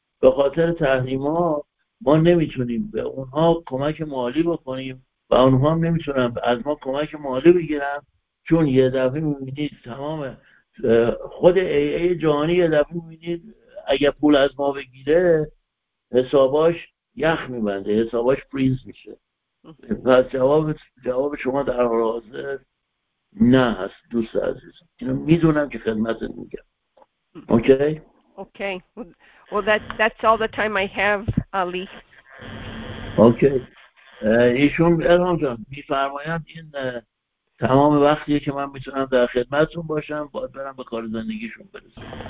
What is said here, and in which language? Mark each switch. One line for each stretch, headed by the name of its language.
Persian: به خاطر تحریم ها ما نمیتونیم به اونها کمک مالی بکنیم و اونها هم نمیتونن از ما کمک مالی بگیرن، چون یه دفعه میبینید تمام خود AA جهانی یه دفعه میبینید اگه پول از ما بگیره حساباش یخ میبنده، حساباش فریز میشه. پس جواب شما در حال حاضر نه هست دوست عزیز. اینو میدونم که خدمت میگم. اوکی؟ اوکی.
English: Well, that's all the time I have, Ali.
Persian: اوکی. ایشون الهام جان میفرمایند این تمام وقتیه که من میتونم در خدمتتون باشم، باید برم به کار زندگیشون برسم.